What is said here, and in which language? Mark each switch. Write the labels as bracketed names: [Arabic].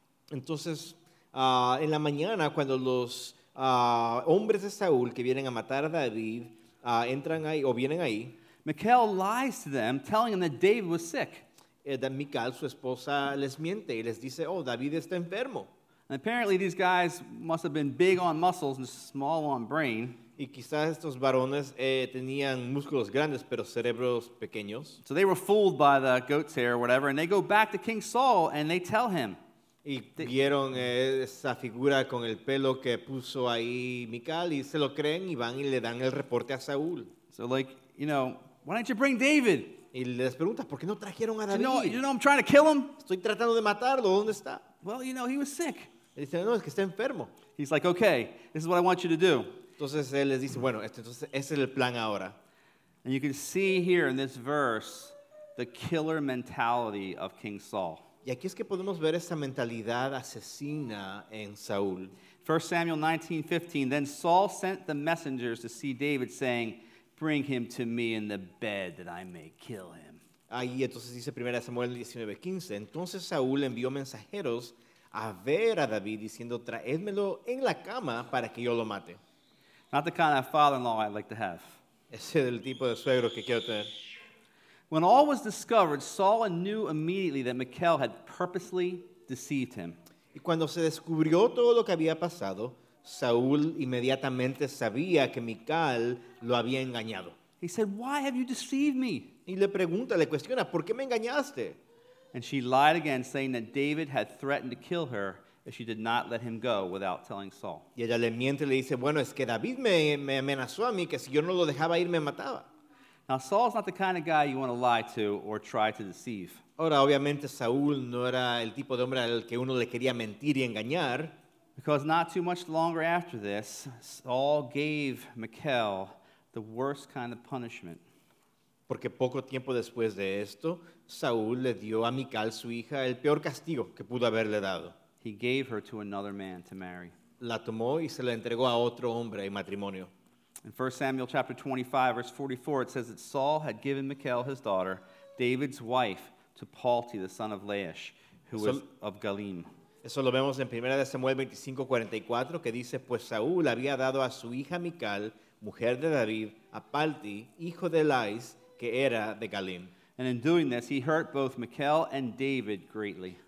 [Spanish] entonces en la mañana, cuando los hombres de Saúl que vienen a matar a David entran ahí o vienen ahí, [English] Michal lies to them, telling them that David was sick. [Spanish] Michal, su esposa, les miente y les dice, oh, David está enfermo. [English] And apparently these guys must have been big on muscles and small on brain. [Spanish] Y quizás estos varones tenían músculos grandes, pero cerebros pequeños. [English] So they were fooled by the goat's hair or whatever, and they go back to King Saul and they tell him. [Spanish] Y vieron esa figura con el pelo que puso ahí Michal y se lo creen y van y le dan el reporte a Saúl. [English] So like, you know, why don't you bring David? [Spanish] Y les pregunta, ¿por qué no trajeron a David? [English] You know, I'm trying to kill him. [Spanish] Estoy tratando de matarlo. ¿Dónde está? [English] Well, you know, he was sick. [Spanish] Y dice, no, es que está enfermo. [English] He's like, okay, this is what I want you to do. [Spanish] Entonces él les dice, bueno, entonces ese es el plan ahora. [English] And you can see here in this verse the killer mentality of King Saul. [Spanish] Y aquí es que podemos ver esa mentalidad asesina en Saúl. [English] 1 Samuel 19:15, then Saul sent the messengers to see David saying, bring him to me in the bed that I may kill him. [Spanish] Ahí entonces dice 1 Samuel 19:15. Entonces Saúl envió mensajeros a ver a David diciendo, traédmelo en la cama para que yo lo mate. [English] Not the kind of father-in-law I'd like to have. [Spanish] Ese es el tipo de suegro que quiero tener. [English] When all was discovered, Saul knew immediately that Michal had purposely deceived him. [Spanish] Y cuando se descubrió todo lo que había pasado, Saúl inmediatamente sabía que Michal lo había engañado. [English] He said, "Why have you deceived me?" [Spanish] Y le pregunta, le cuestiona, ¿por qué me engañaste? [English] And she lied again, saying that David had threatened to kill her if she did not let him go without telling Saul. [Spanish] Y ella le miente y le dice, bueno, es que David me amenazó a mí que si yo no lo dejaba ir, me mataba. [English] Now, Saul's not the kind of guy you want to lie to or try to deceive. [Spanish] Ahora, obviamente, Saúl no era el tipo de hombre al que uno le quería mentir y engañar. [English] Because not too much longer after this, Saul gave Michal the worst kind of punishment. [Spanish] Porque poco tiempo después de esto, Saúl le dio a Michal, su hija, el peor castigo que pudo haberle dado. [English] He gave her to another man to marry. [Spanish] La tomó y se la entregó a otro hombre en matrimonio. [English] In 1 Samuel chapter 25, verse 44, it says that Saul had given Michal, his daughter, David's wife, to Palti, the son of Laish, who was of Galim. [Spanish] Eso lo vemos en 1 Samuel 25:44, que dice, pues Saúl había dado a su hija Michal, mujer de David, a Palti, hijo de Laish, que era de Galim. [English] And in doing this, he hurt both Michal and David greatly.